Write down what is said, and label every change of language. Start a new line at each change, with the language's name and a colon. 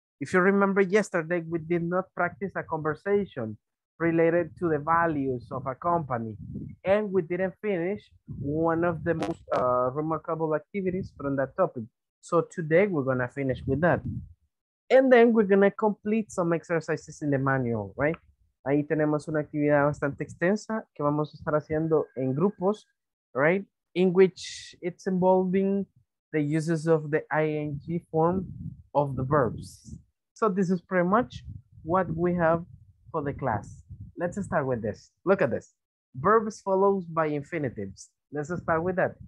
English: If you remember yesterday, we did not practice a conversation related to the values of a company. And we didn't finish one of the most remarkable activities from that topic. So today we're gonna finish with that. And then we're gonna complete some exercises in the manual, right?
Spanish: Ahí tenemos una actividad bastante extensa que vamos a estar haciendo en grupos, right?
English: In which it's involving the uses of the ing form of the verbs. So this is pretty much what we have for the class. Let's start with this. Look at this. Verbs followed by infinitives. Let's start with that.